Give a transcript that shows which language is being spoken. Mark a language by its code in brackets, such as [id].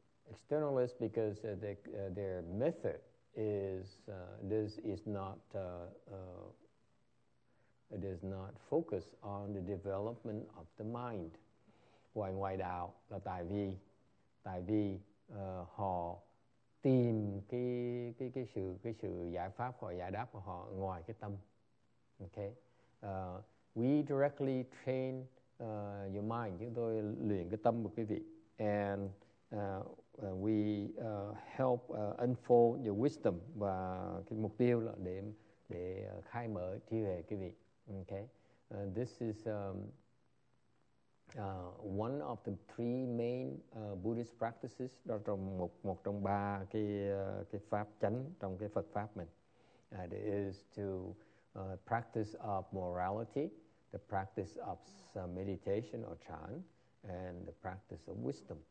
[en] externalist because their method is does not focus on the development of the mind. [vi] Ngoài ngoài đạo là tại vì họ tìm cái sự giải pháp hoặc giải đáp của họ ngoài cái tâm. Okay. [en] We directly train your mind. [vi] Chúng tôi luyện cái tâm của quý vị. [en] And we help unfold your wisdom. [vi] Và cái mục tiêu là để khai mở trí huệ quý vị. [en] Okay. This is one of the three main Buddhist practices. [vi] Đó là một trong ba cái pháp chánh trong cái Phật pháp mình. [en] And it is to practice of morality, the practice of meditation or chan, and the practice of wisdom.